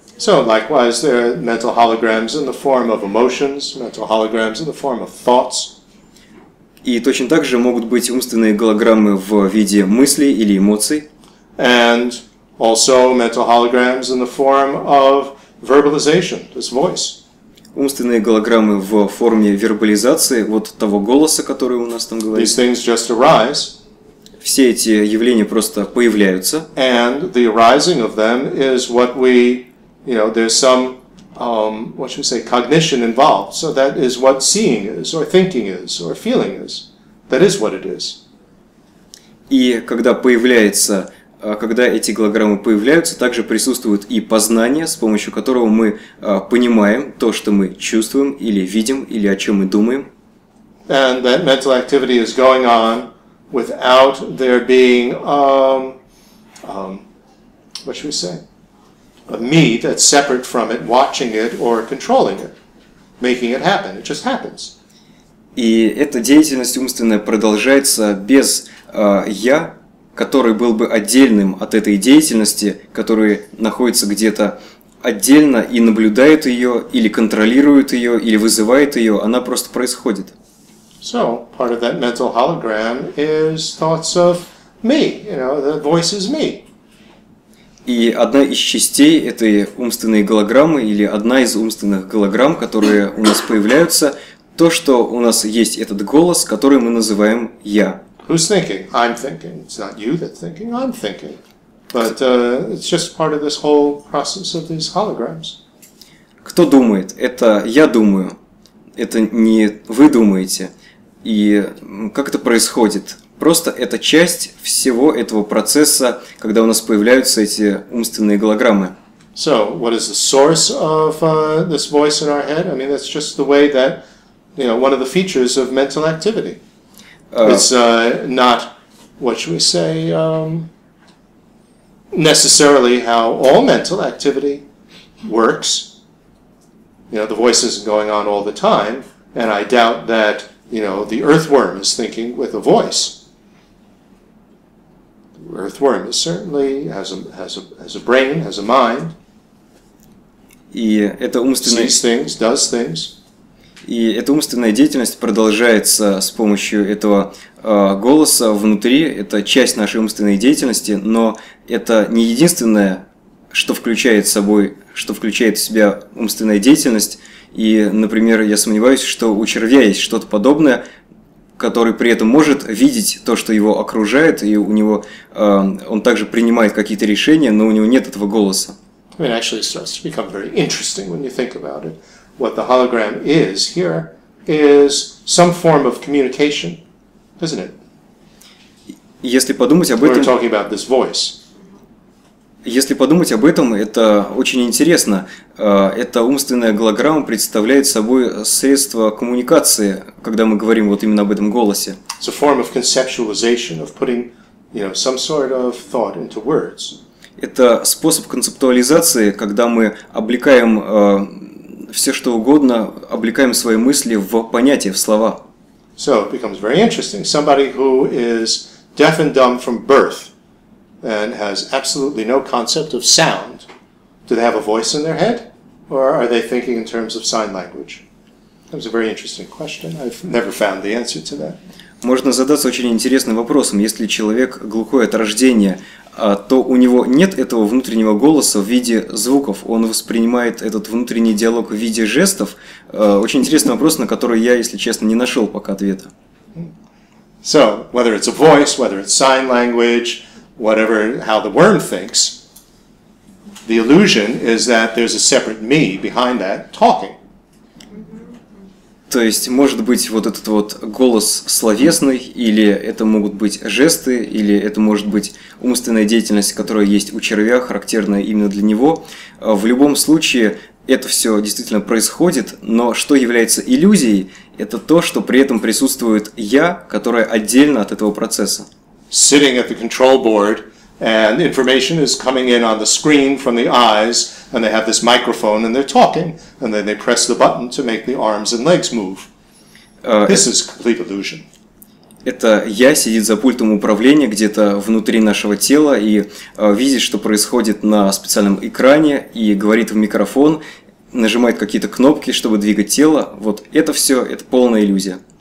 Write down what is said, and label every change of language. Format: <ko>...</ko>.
<en>So, likewise, there are mental holograms in the form of emotions, mental holograms in the form of thoughts.</en> <ru>И точно так же могут быть умственные голограммы в виде мыслей или эмоций.</ru> <en>And also mental holograms in the form of verbalization, this voice.</en> <ru>Умственные голограммы в форме вербализации, вот того голоса, который у нас там говорит.</ru> <en>These things just arise.</en> <ru>Все эти явления просто появляются.</ru> <en>And the arising of them is what we, you know, there's some, what should we say, cognition involved. So that is what seeing is, or thinking is, or feeling is. That is what it is.</en> <ru>И когда появляется когда эти голограммы появляются, также присутствует и познание, с помощью которого мы понимаем то, что мы чувствуем или видим, или о чем мы думаем.</ru> <en>And that mental activity is going on without there being what should we say? A me that's separate from it, watching it or controlling it, making it happen. It just happens.</en> <ru>И эта деятельность умственная продолжается без я, который был бы отдельным от этой деятельности, который находится где-то отдельно и наблюдает ее, или контролирует ее, или вызывает ее, она просто происходит.</ru> <en>So, part of that mental hologram is thoughts of me, you know, the voice is me.</en> <ru>И одна из частей этой умственной голограммы, или одна из умственных голограмм, которые у нас появляются, то, что у нас есть этот голос, который мы называем «я».</ru> <en>Who's thinking? I'm thinking. It's not you that's thinking, I'm thinking. But it's just part of this whole process of these holograms.</en> <ru>Кто думает? Это я думаю. Это не вы думаете. И как это происходит? Просто это часть всего этого процесса, когда у нас появляются эти умственные голограммы.</ru> <en>So, what is the source of this voice in our head? I mean, that's just the way that, you know, one of the features of mental activity. It's not, what should we say, necessarily how all mental activity works. You know, the voice isn't going on all the time, and I doubt that, you know, the earthworm is thinking with a voice. The earthworm is certainly has a brain, has a mind.</en> <ru>И это умственный...</ru> <en>Sees things, does things.</en> <ru>И эта умственная деятельность продолжается с помощью этого голоса внутри. Это часть нашей умственной деятельности, но это не единственное, что включает собой, что включает в себя умственная деятельность. И, например, я сомневаюсь, что у червя есть что-то подобное, который при этом может видеть то, что его окружает, и у него он также принимает какие-то решения, но у него нет этого голоса.</ru> <en>I mean, actually, it starts to become very interesting when you think about it. What the hologram is here is some form of communication, isn't it?</en> <ru>Если подумать об этом,</ru> <en>we're talking about this voice.</en> <ru>Если подумать об этом, это очень интересно. Эта умственная голограмма представляет собой средство коммуникации, когда мы говорим вот именно об этом голосе.</ru> <en>It's a form of conceptualization, of putting, you know, some sort of thought into words.</en> <ru>Это способ концептуализации, когда мы облекаем все что угодно, облекаем свои мысли в понятия, в слова.</ru> <en>So it becomes very interesting. Somebody who is deaf and dumb from birth and has absolutely no concept of sound, do they have a voice in their head? Or are they thinking in terms of sign language? That was a very interesting question. I've never found the answer to that.</en> <ru>Можно задаться очень интересным вопросом. Если человек глухой от рождения, то у него нет этого внутреннего голоса в виде звуков. Он воспринимает этот внутренний диалог в виде жестов. Очень интересный вопрос, на который я, если честно, не нашел пока ответа.</ru> <en>So, whether it's a voice, whether it's sign language, whatever, how the worm thinks, the illusion is that there's a separate me behind that talking.</en> <ru>То есть, может быть, вот этот вот голос словесный, или это могут быть жесты, или это может быть умственная деятельность, которая есть у червя, характерная именно для него. В любом случае, это все действительно происходит, но что является иллюзией, это то, что при этом присутствует я, которое отдельно от этого процесса.</ru> <en>Sitting at the control board, and information is coming in on the screen from the eyes, and they have this microphone, and they're talking, and then they press the button to make the arms and legs move. This is complete illusion.</en> <ru>Это я сидит за пультом управления где-то внутри нашего тела и видит, что происходит на специальном экране, и говорит в микрофон, нажимает какие-то кнопки, чтобы двигать тело. Вот это все, это полная иллюзия.</ru>